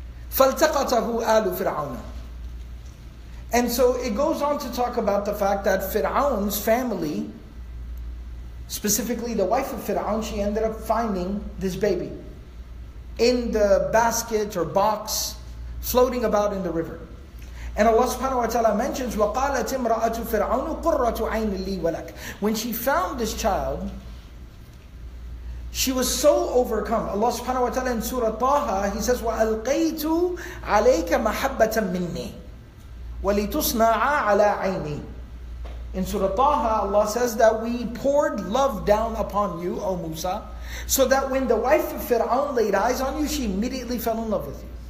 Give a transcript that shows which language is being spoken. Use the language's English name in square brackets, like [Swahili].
[Arabic] Faltaqatahu alu fir'aun. [English] And so it goes on to talk about the fact that Fir'aun's family Specifically, the wife of Fir'aun, she ended up finding this baby in the basket or box floating about in the river. And Allah subhanahu wa ta'ala mentions, [Arabic] وَقَالَتْ إِمْرَأَةُ فِرْعَوْنُ قُرَّةُ عَيْنِ لِي وَلَكَ. [English] When she found this child, she was so overcome. Allah subhanahu wa ta'ala in Surah Taha, He says, [Arabic] وَأَلْقَيْتُ عَلَيْكَ مَحَبَّةً مِنِّي وَلِتُصْنَعَ عَلَىٰ عَيْنِي. [English] In Surah Taha, Allah says that we poured love down upon you, O Musa, so that when the wife of Fir'aun laid eyes on you, she immediately fell in love with you.